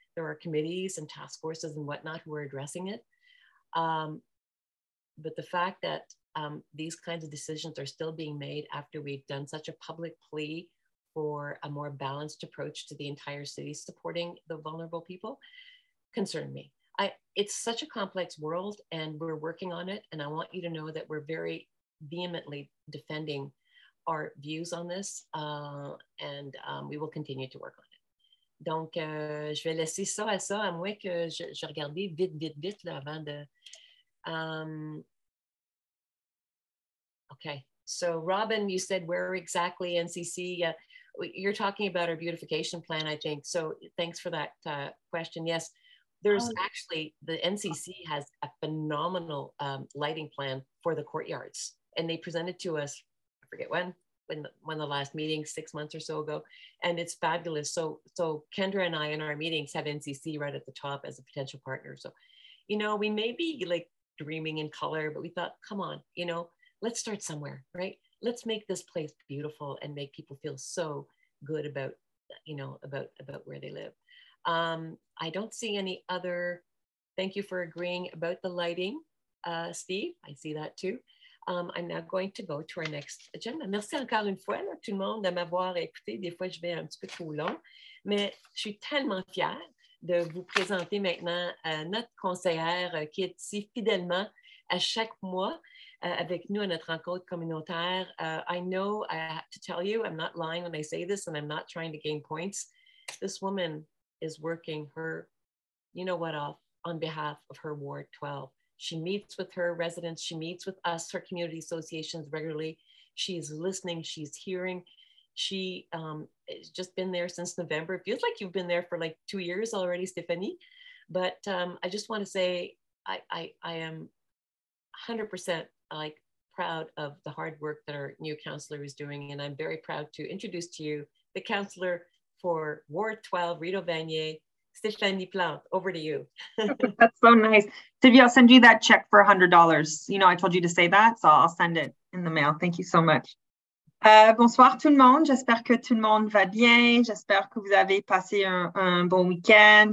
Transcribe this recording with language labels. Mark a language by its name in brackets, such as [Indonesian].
[English] there are committees and task forces and whatnot who are addressing it. But the fact that these kinds of decisions are still being made after we've done such a public plea for a more balanced approach to the entire city supporting the vulnerable people concerned me. It's such a complex world and we're working on it. And I want you to know that we're very vehemently defending our views on this and we will continue to work on it. [French] Donc, je vais laisser ça à ça, à moins que je regarde vite, là, avant de... [English] Okay, so Robin, you said where exactly NCC, you're talking about our beautification plan, I think. So thanks for that question. Yes, there's actually, the NCC has a phenomenal lighting plan for the courtyards. And they presented to us, I forget when the last meeting, 6 months or so ago, and it's fabulous. So Kendra and I in our meetings have NCC right at the top as a potential partner. So, you know, we may be like dreaming in color, but we thought, come on, you know, let's start somewhere, right? Let's make this place beautiful and make people feel so good about, you know, about where they live. I don't see any other, thank you for agreeing about the lighting, Steve, I see that too. I'm now going to go to our next agenda. [French] Merci encore une fois, là, tout le monde, de m'avoir écouté. Des fois, je vais un petit peu trop long, mais je suis tellement fière de vous présenter maintenant notre conseillère qui est ici fidèlement à chaque mois avec nous à notre rencontre communautaire. [English] I know I have to tell you, I'm not lying when I say this and I'm not trying to gain points. This woman is working her, you know what, off on behalf of her Ward 12. She meets with her residents, she meets with us, her community associations regularly. She's listening, she's hearing. She has just been there since November. It feels like you've been there for like 2 years already, Stephanie. But I just want to say I am 100% like proud of the hard work that our new counselor is doing. And I'm very proud to introduce to you the counselor for Ward 12, Rideau Vanier, Stéphanie Plante, over to you. That's so nice. Tivi, I'll send you that check for $100. You know, I told you to say that, so I'll send it in the mail. Thank you so much. [French] Bonsoir tout le monde. J'espère que tout le monde va bien. J'espère que vous avez passé un bon week-end.